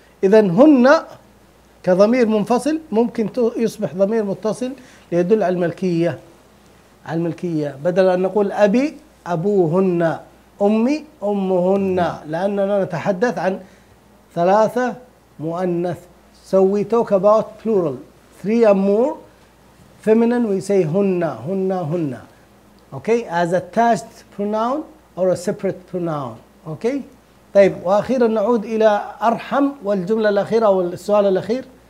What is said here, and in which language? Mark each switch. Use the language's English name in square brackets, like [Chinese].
[Arabic] إذن هن كضمير منفصل ممكن يصبح ضمير متصل ليدل على الملكية، على الملكية، بدل أن نقول أبي أبوهن، أمي أمهن، لأننا نتحدث عن ثلاثة مؤنث. [English] So we talk about plural, three and more feminine, we say هن. Okay, as a attached pronoun or a separate pronoun. Okay. [Arabic] طيب، وأخيرا نعود إلى أرحم والجملة الأخيرة والسؤال الأخير.